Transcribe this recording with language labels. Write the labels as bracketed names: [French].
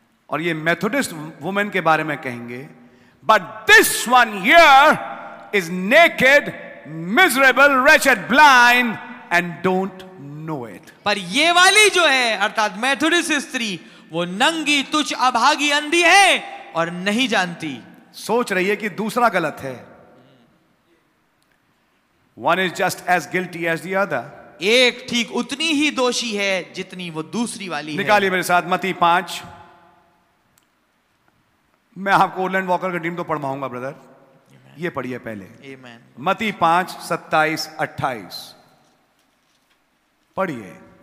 [Hindi] और ये Methodist women के बारे में कहेंगे, [English] But this one here is naked miserable wretched blind and don't know it. [Hindi] पर ये वाली जो है अर्थात मेथोडिस्ट स्त्री, वो नंगी तुच्छ अभागी अंधी है और नहीं जानती. सोच रही है कि दूसरा गलत है. [English] One is just as guilty as the other. [Hindi] एक ठीक उतनी ही दोषी है जितनी वो दूसरी वाली. निकालिए मेरे साथ मती 5. मैं आपको ओरलैंड वॉकर का टीम तो पढ़वाऊंगा ब्रदर. Amen. ये पढ़िए पहले. Amen. मती 5:27-28 पढ़िए.